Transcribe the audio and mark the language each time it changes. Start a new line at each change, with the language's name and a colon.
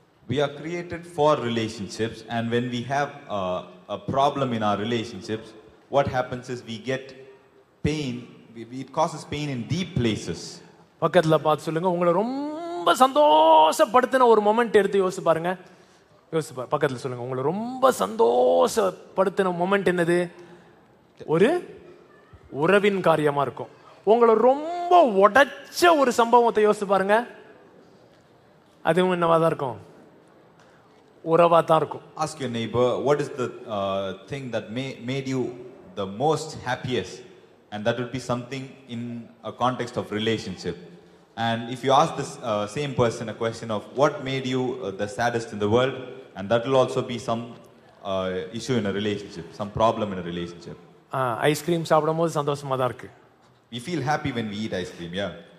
English: We are created for relationships and when we have a problem in our relationships, what happens is we get pain, it causes pain in deep places.
Tamil: பக்கத்தில் பார்த்து சொல்லுங்க, உங்களை ரொம்ப சந்தோஷப்படுத்தின ஒரு moment எடுத்து யோசிச்சு பாருங்க. யோசிச்சு பக்கத்துல சொல்லுங்க, உங்களை ரொம்ப சந்தோஷப்படுத்தின மொமெண்ட் என்னது, ஒரு உறவின் காரியமா இருக்கும். உங்களை ரொம்ப உடைச்ச ஒரு சம்பவத்தை யோசிச்சு பாருங்க, அதுவும் என்னவாதான் இருக்கும், உறவா தான் இருக்கும்.
English: Ask your neighbor, what is the thing that made you the most happiest, and that would be something in a context of relationship. And if you ask this same person a question of what made you the saddest in the world, and that will also be some issue in a relationship, some problem in a relationship.
Tamil: Ice cream சாப்பிடும்போது சந்தோஷமா தான் இருக்கு.
English: We feel happy when we eat ice cream, yeah.